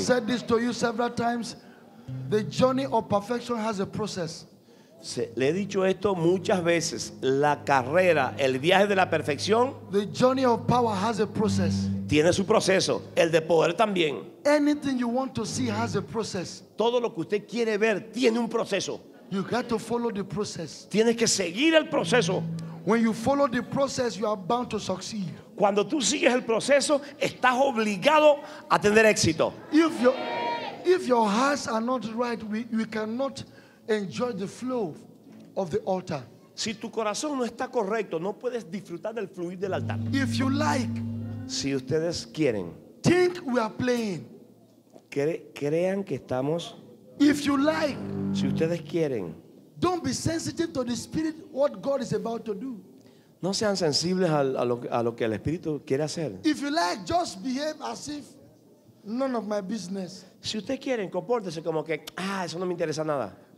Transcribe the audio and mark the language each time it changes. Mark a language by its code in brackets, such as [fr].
[en] I've said this to you several times. The journey of perfection has a process. [es] Le he dicho esto muchas veces. La carrera, el viaje de la perfección, [en] the journey of power has a process. [es] Tiene su proceso. El de poder también. [en] Anything you want to see has a process. [es] Todo lo que usted quiere ver tiene un proceso. [en] You got to follow the process. [es] Tienes que seguir el proceso. [en] When you follow the process, you are bound to succeed. [es] Cuando tú sigues el proceso, estás obligado a tener éxito. [en] If your hearts are not right, we cannot enjoy the flow of the altar. [es] Si tu corazón no está correcto, no puedes disfrutar del fluir del altar. [en] If you like, [es] si ustedes quieren, [en] think we are playing. [es] Crean que estamos. [en] If you like, [es] si ustedes quieren, [en] don't be sensitive to the spirit what God is about to do. [es] No sean sensibles a lo que el Espíritu quiere hacer. [en] If you like, just behave as if none of my business. [es] Si ustedes quieren, compórtese como que eso no me interesa nada.